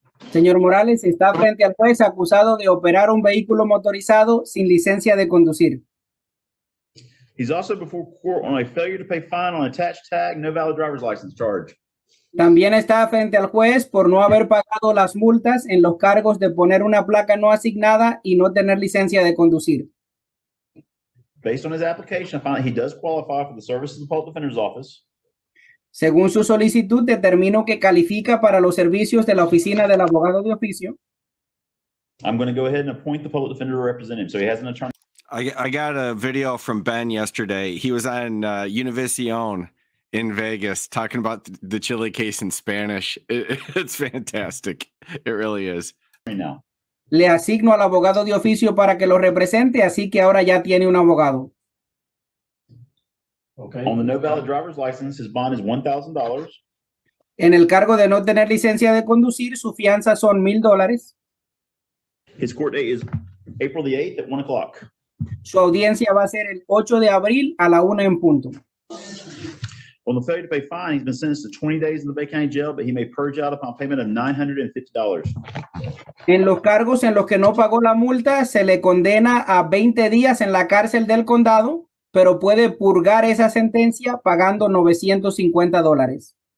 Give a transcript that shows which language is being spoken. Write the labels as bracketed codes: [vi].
[es] Señor Morales está frente al juez acusado de operar un vehículo motorizado sin licencia de conducir. [en] He's also before court on a failure to pay fine on attached tag, no valid driver's license charge. [es] También está frente al juez por no haber pagado las multas en los cargos de poner una placa no asignada y no tener licencia de conducir. [en] Based on his application, I find that he does qualify for the services of the Public Defender's Office. [es] Según su solicitud, determino que califica para los servicios de la oficina del abogado de oficio. [en] I'm going to go ahead and appoint the public defender to represent him. So he has an attorney. I got a video from Ben yesterday. He was on Univision in Vegas talking about the chili case in Spanish. It's fantastic. It really is. Right now. [es] Le asigno al abogado de oficio para que lo represente, así que ahora ya tiene un abogado. [en] Okay. On the no valid driver's license, his bond is $1,000. [es] En el cargo de no tener licencia de conducir, su fianza son $1,000. [en] His court date is April the 8th at 1 o'clock. [es] Su audiencia va a ser el 8 de abril a la 1 en punto. [en] On the failure to pay fine, he's been sentenced to 20 days in the Bay County Jail, but he may purge out upon payment of $950. [es] En los cargos en los que no pagó la multa, se le condena a 20 días en la cárcel del condado, pero puede purgar esa sentencia pagando $950.